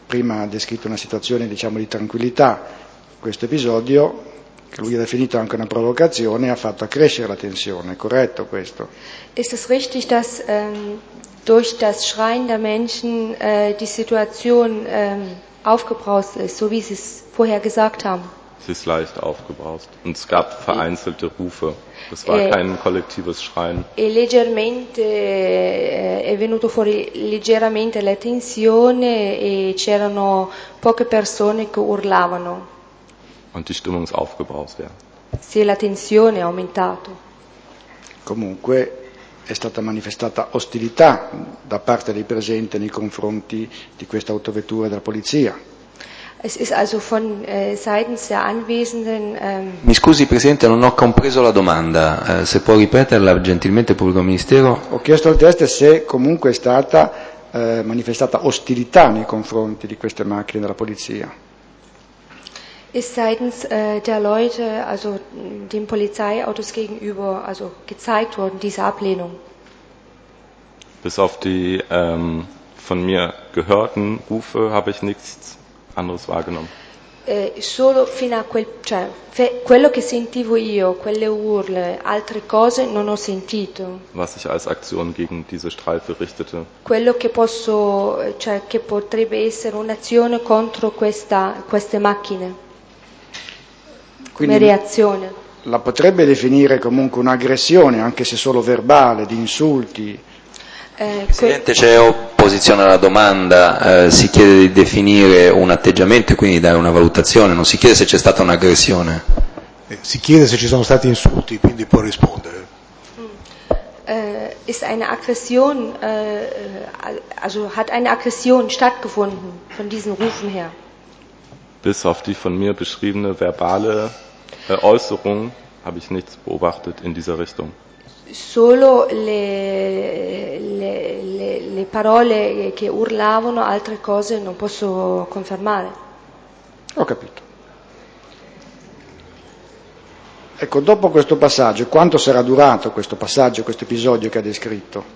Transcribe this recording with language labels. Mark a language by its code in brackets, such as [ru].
[it] Prima ha descritto una situazione, diciamo, di tranquillità. Questo episodio, che lui ha definito anche una provocazione, ha fatto accrescere la tensione. È corretto questo? [de] Ist es richtig, dass durch das Schreien der Menschen die Situation aufgebraust ist, so wie Sie es vorher gesagt haben? Es ist leicht aufgebraust und es gab vereinzelte Rufe. Es war kein kollektives Schreien. [it] E leggermente è venuto fuori leggermente la tensione e c'erano poche persone che urlavano. [de] Und die Stimmung ist aufgebraust, ja. [it] Sì, la tensione è aumentato. Comunque è stata manifestata ostilità da parte dei presenti nei confronti di questa autovettura della polizia. [de] Es ist also von seitens der Anwesenden. [it] Mi scusi Presidente, non ho compreso la domanda. Se può ripeterla gentilmente il Pubblico Ministero. Ho chiesto al test se comunque è stata manifestata ostilità nei confronti di queste macchine della polizia. [de] Ist seitens der Leute, also den Polizeiautos gegenüber, also gezeigt worden diese Ablehnung. Bis auf die von mir gehörten Rufe habe ich nichts anderes wahrgenommen. [it] Solo fino a quel, cioè, quello che sentivo io, quelle urle, altre cose non ho sentito. [de] Was ich als Aktion gegen diese Streife richtete. [it] Quello che posso, cioè, che potrebbe essere un'azione contro queste macchine. Quindi, come reazione. La potrebbe definire comunque un'aggressione, anche se solo verbale, di insulti. Presidente, c'è opposizione alla domanda, si chiede di definire un atteggiamento e quindi dare una valutazione, non si chiede se c'è stata un'aggressione. Si chiede se ci sono stati insulti, quindi può rispondere. [de] ist eine Aggression, also hat eine Aggression stattgefunden von diesen Rufen her. Bis auf die von mir beschriebene verbale Äußerung habe ich nichts beobachtet in dieser Richtung. [it] Solo le parole che urlavano, altre cose non posso confermare. Ho capito. Ecco, dopo questo passaggio, quanto sarà durato questo passaggio, questo episodio che ha descritto?